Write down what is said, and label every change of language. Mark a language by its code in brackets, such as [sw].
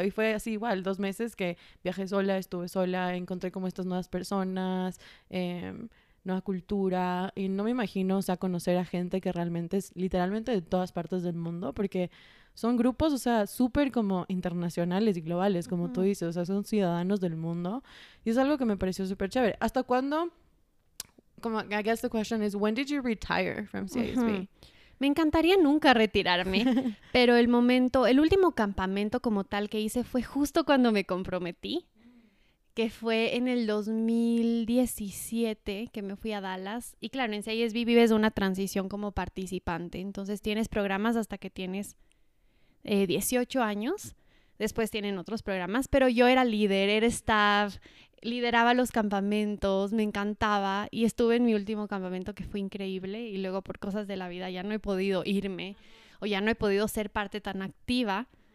[es] Y fue así igual, 2 meses que viajé sola, estuve sola, encontré como estas nuevas personas, nueva cultura. Y no me imagino, o sea, conocer a gente que realmente es literalmente de todas partes del mundo, porque son grupos, o sea, súper como internacionales y globales, como, uh-huh, tú dices, o sea, son ciudadanos del mundo. Y es algo que me pareció súper chévere. ¿Hasta cuándo? Como, [en] I guess the question is, when did you retire from CISB? Uh-huh. [es] Me encantaría nunca retirarme, pero el último campamento como tal que hice fue justo cuando me comprometí, que fue en el 2017, que me fui a Dallas. Y claro, en CISB vives una transición como participante, entonces tienes programas hasta que tienes 18 años, después tienen otros programas, pero yo era líder, era staff, lideraba los campamentos, me encantaba, y estuve en mi último campamento que fue increíble, y luego por cosas de la vida ya no he podido irme, o ya no he podido ser parte tan activa,